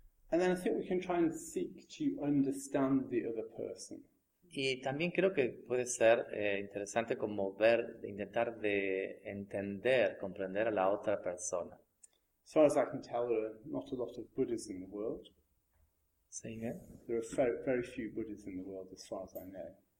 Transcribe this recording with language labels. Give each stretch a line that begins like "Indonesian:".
English: And then I think we can try and seek to understand the other person.
Spanish: Y también creo que puede ser interesante como ver, intentar de entender, comprender a la otra persona.
English: As far as I can tell, there are not a lot of Buddhas in the world. Say again? There are very few Buddhas in the world, as far as I know.